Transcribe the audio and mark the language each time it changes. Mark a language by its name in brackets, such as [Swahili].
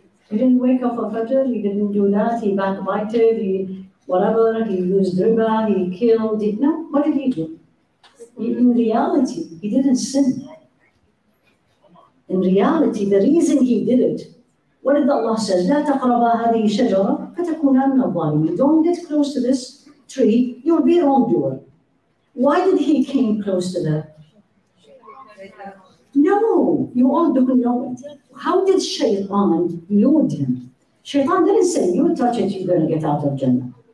[English] He didn't wake up for Fajr, he didn't do that, he backbited, he whatever, he used riba, he killed, no, what did he do? In reality, he didn't sin. In reality, the reason he did it, what did Allah say? [Arabic] لا تقربا هذه شجرة فتكونا من الظالمين. [English] Don't get close to this tree, you'll be a wrongdoer. Why did he came close to that? No, you all don't know it. How did Shaytan lure him? Shaytan didn't say, you touch it, you're going to get out of Jannah.